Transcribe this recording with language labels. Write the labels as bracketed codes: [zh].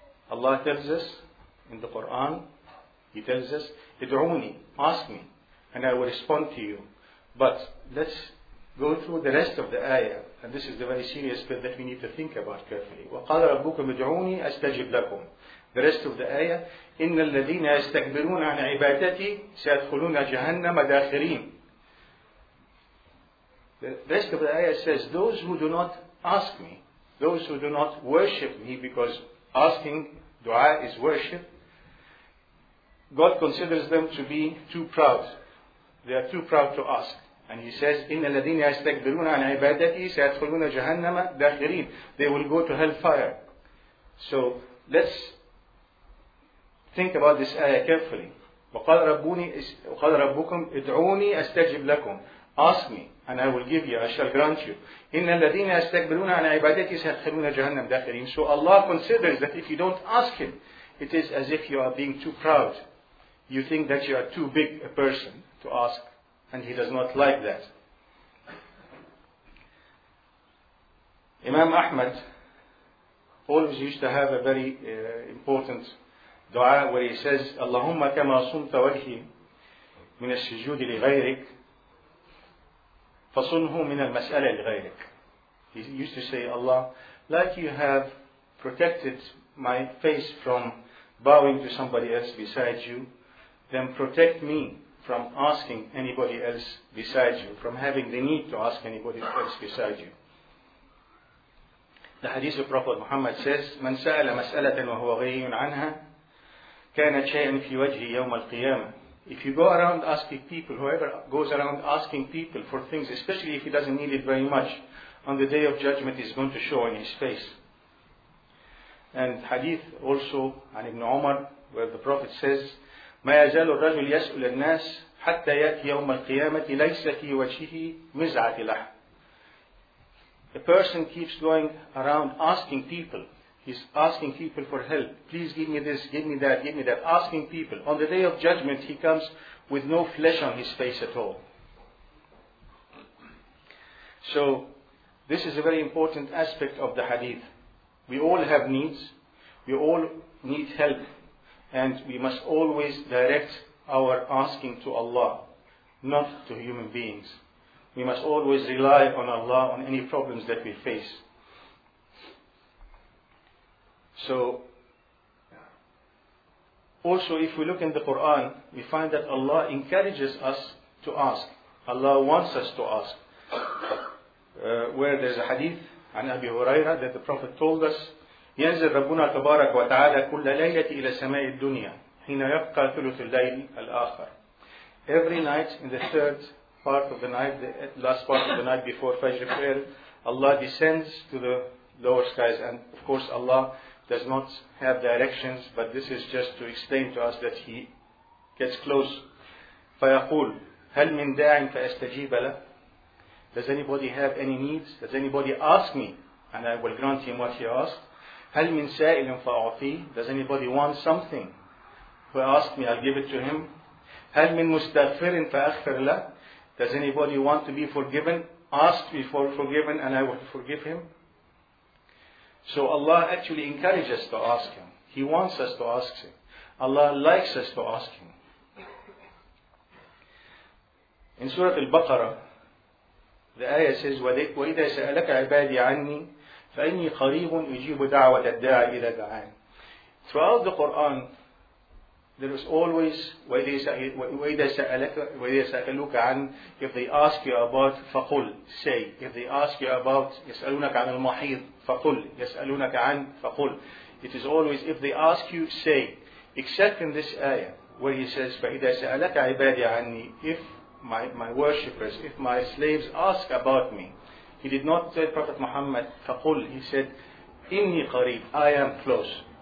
[en] Allah tells us in the Quran, He tells us, [ar] اِدْعُونِي, [en] ask me, and I will respond to you. But let's go through the rest of the ayah, and this is the very serious bit that we need to think about carefully. [ar] وَقَالَ رَبُّكُمْ اِدْعُونِي أَسْتَجِبْ لَكُمْ. [en] The rest of the ayah, [ar] إِنَّ الَّذِينَ يَسْتَكْبِرُونَ عَنْ عِبَادَتِي سَيَدْخُلُونَ جَهَنَّمَ دَاخِرِينَ. [en] The rest of the ayah says, those who do not ask me, those who do not worship me, because asking dua is worship, God considers them to be too proud. They are too proud to ask. [ar] And He says, إِنَّ الَّذِينَ يَسْتَكْبِرُونَ عَنْ عِبَادَتِي سَيَدْخُلُونَ جَهَنَّمَ دَاخِرِينَ. [en] They will go to hellfire. So let's think about this ayah carefully. [ar] وَقَالَ رَبُّكُمْ اِدْعُونِي أَسْتَجِبْ لَكُمْ. [en] Ask me and I will give you, I shall grant you. [ar] إِنَّ الَّذِينَ يَسْتَكْبِرُونَ عَنْ عِبَادَتِي سَيَدْخُلُونَ جَهَنَّمَ دَاخِرِينَ. [en] So Allah considers that if you don't ask Him, it is as if you are being too proud. You think that you are too big a person to ask, and He does not like that. Imam Ahmad always used to have a very important dua where he says, [ar] Allahumma kama sunta wajhi min al-sujud li ghayrik [en] fasunhu min al-mas'ala li ghayrik. He used to say, Allah, like you have protected my face from bowing to somebody else besides you, then protect me from asking anybody else besides you, from having the need to ask anybody else besides you. The hadith of Prophet Muhammad says, [ar] من سأل مسألة وهو غني عنها كان شيئا في وجهه يوم القيامة. [en] If you go around asking people, whoever goes around asking people for things, especially if he doesn't need it very much, on the day of judgment is going to show in his face. And hadith also [ar] عن ابن عمر [en] where the Prophet says, [ar] ما يزال الرجل يسأل الناس حتى يأتي يوم القيامة ليس في وجهه مزعة لحم. [en] A person keeps going around asking people He's asking people for help. Please give me this, give me that, give me that. Asking people. On the day of judgment, he comes with no flesh on his face at all. So, this is a very important aspect of the hadith. We all have needs. We all need help. And we must always direct our asking to Allah, not to human beings. We must always rely on Allah on any problems that we face. So, also if we look in the Quran, we find that Allah encourages us to ask. Allah wants us to ask. Where there's a hadith, an Abi Huraira, that the Prophet told us, [ar] يَنزِلْ رَبُّنَا تَبَارَكُ وَتَعَالَى كُلَّ لَيْلَةِ إِلَى سَمَاءِ الدُّنْيَا حِينَ يَبْقَى ثُلُثُ اللَّيْلِ الْآخَرِ. [en] Every night, in the third part of the night, the last part of the night before Fajr prayer, Allah descends to the lower skies. And of course, Allah does not have directions, but this is just to explain to us that He gets close. [ar] فَيَقُولْ هَلْ مِنْ دَاعٍ فَأَسْتَجِيبَ لَهُ. [en] Does anybody have any needs? Does anybody ask me? And I will grant him what he asked. [ar] هَلْ مِنْ سَائِلٍ فَأَعْطِي. [en] Does anybody want something? Who asked me, I'll give it to him. [ar] هَلْ مِنْ مُسْتَغْفِرٍ فَأَخْفِرْ لَهُ. [en] Does anybody want to be forgiven? Ask me for forgiven and I will forgive him. So Allah actually encourages us to ask Him. He wants us to ask Him. Allah likes us to ask Him. In Surah Al-Baqarah, the ayah says, [ar] وَإِذَا سَأَلَكَ عِبَادِي عَنِّي فَإِنِّي قَرِيبٌ أُجِيبُ دَعْوَةَ الدَّاعِ إِذَا دَعَانِ. [en] Throughout the Quran, there is always, [ar] وَإِذَا سَأَلُكَ عَنْ, [en] if they ask you about, [ar] فَقُلْ, [en] say. If they ask you about, [ar] يَسْأَلُونَكَ عَنْ الْمَحِيضِ, فَقُلْ, يَسْأَلُونَكَ عَنْ, فَقُلْ. [en] It is always, if they ask you, say. Except in this ayah, where he says, [ar] فَإِذَا سَأَلَكَ عِبَادِي عَنِّي, [en] if my worshippers, if my slaves ask about me. He did not say Prophet Muhammad, [ar] فَقُلْ, [en] he said, [ar] إِنِّي قَرِيبٌ, [en] I am close.